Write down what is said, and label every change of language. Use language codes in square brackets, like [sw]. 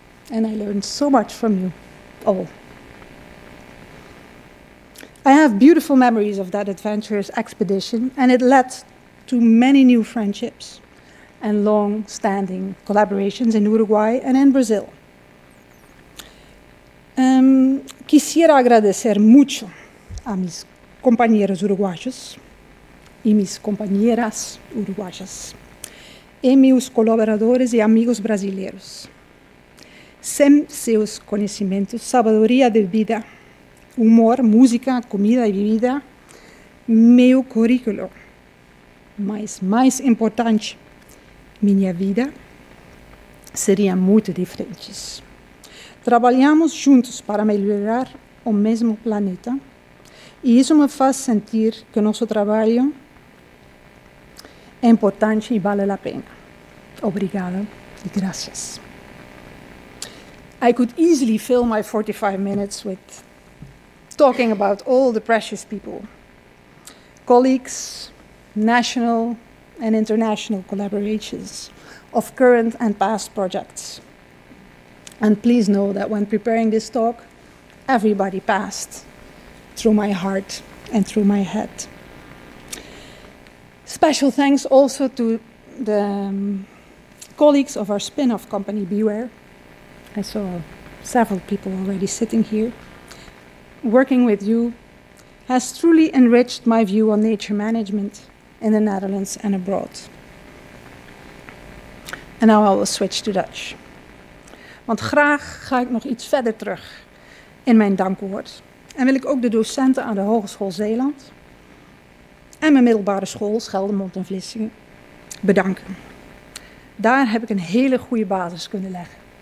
[en] And I learned so much from you all. I have beautiful memories of that adventurous expedition, and it led to many new friendships and long-standing collaborations in Uruguay and in Brazil. [es] Quisiera agradecer mucho a mis compañeros uruguayos y mis compañeras uruguayas y mis colaboradores y amigos brasileños. [pt] Sem seus conhecimentos, sabedoria de vida, humor, música, comida [es] y bebida, [pt] meu currículo, mais importante, minha vida, seria muito diferente. Trabalhamos juntos para melhorar o mesmo planeta e isso me faz sentir que nosso trabalho é importante e vale a pena. Obrigada e graças. [en] I could easily fill my 45 minutes with talking about all the precious people, colleagues, national and international collaborations of current and past projects. And please know that when preparing this talk, everybody passed through my heart and through my head. Special thanks also to the colleagues of our spin-off company, Beware. I saw several people already sitting here. Working with you has truly enriched my view on nature management in the Netherlands and abroad. And now I will switch to Dutch. [nl] Want graag ga ik nog iets verder terug in mijn dankwoord. En wil ik ook de docenten aan de Hogeschool Zeeland en mijn middelbare school, Scheldemond en Vlissingen, bedanken. Daar heb ik een hele goede basis kunnen leggen.